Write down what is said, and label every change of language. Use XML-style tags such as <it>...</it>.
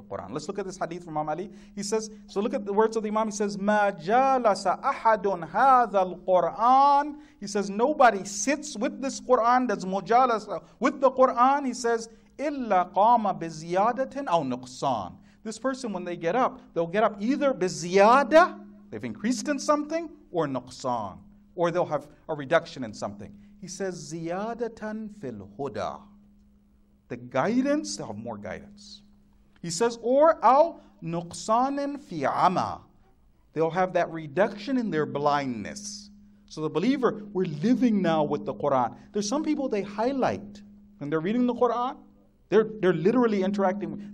<en>Let's look at this hadith from Imam Ali. He says, so look at the words of the Imam. He says,</en> <ar>مَا جَالَسَ أَحَدٌ هَذَا الْقُرْآنِ.</ar> <en>He says, nobody sits with this Quran, does مُجَالَسَ with the Quran. He says,</en> <ar>إِلَّا قَامَ بِزِيَادَةٍ أَوْ نُقْصَانٍ.</ar> <en>This person, when they get up, they'll get up either بِزِيَادَة, they've increased in something, or نُقْصَانٍ, or they'll have a reduction in something. He says,</en> <ar>زِيَادَةً فِي الْهُدَى.</ar> <en>The guidance, they'll have more guidance. He says, or</en> <ar>al nuqsanin fi ama.</ar> <en>They'll have that reduction in their blindness. So the believer, we're living now with the Quran. There's some people they highlight when they're reading the Quran. They're literally interacting.</en>